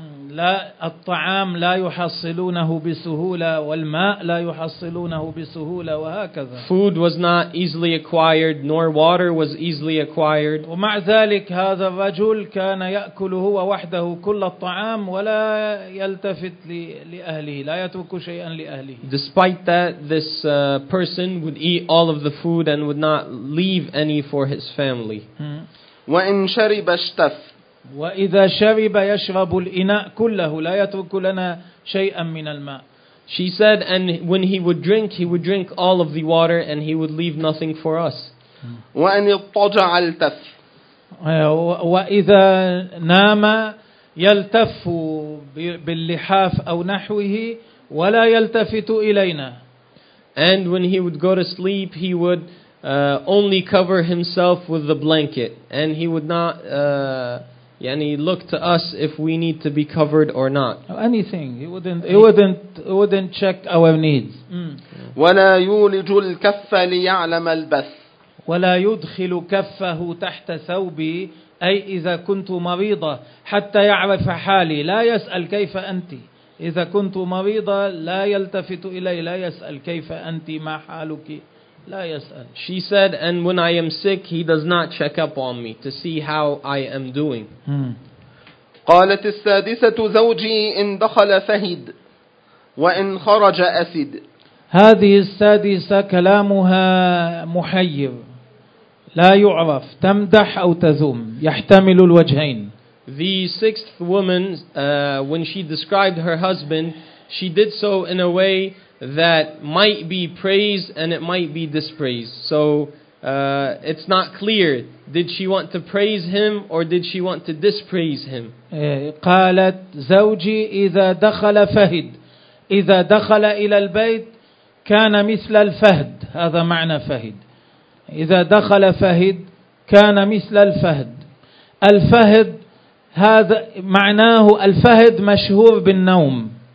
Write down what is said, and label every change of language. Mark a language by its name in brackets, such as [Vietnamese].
[Arabic] لا الطعام لا يحصلونه بسهولة والماء لا يحصلونه بسهولة وهكذا. [English] Food was not easily acquired, nor water was easily acquired. [Arabic] ومع ذلك هذا الرجل كان يأكل هو وحده كل الطعام ولا يلتفت لأهله, لا يترك شيئا لأهله. [English] Despite that, this person would eat all of the food and would not leave any for his family. [Arabic] وإن شرب اشتف. وإذا شرب يشرب الإناء كله لا يترك لنا شيئا من الماء. [English] She said, and when he would drink all of the water and he would leave nothing for us. [Arabic] وإن اضطجع التف. وإذا نام يلتف باللحاف أو نحوه ولا يلتفت إلينا. [English] And when he would go to sleep, he would only cover himself with the blanket and he would not [Arabic] يعني [English] look to us if we need to be covered or not. Anything. He wouldn't check our needs. [Arabic] ولا يولج الكف ليعلم البث. ولا يدخل كفه تحت ثوبي أي إذا كنت مريضة حتى يعرف حالي لا يسأل كيف أنت. إذا كنت مريضة لا يلتفت إلي لا يسأل كيف أنت ما حالك. لا يسأل. [English] She said, and when I am sick, he does not check up on me to see how I am doing. [Arabic] قالت السادسة زوجي إن دخل فهد وإن خرج أسد. هذه السادسة كلامها محير لا يعرف تمدح أو تذم يحتمل الوجهين. [English] The sixth woman, when she described her husband, she did so in a way that might be praise and it might be dispraise. So it's not clear. Did she want to praise him or did she want to dispraise him? [Arabic] قالت زوجي إذا دخل فهد. إذا دخل إلى البيت كان مثل الفهد. هذا معنى فهد. إذا دخل فهد كان مثل الفهد. الفهد هذا معناه الفهد مشهور بالنوم.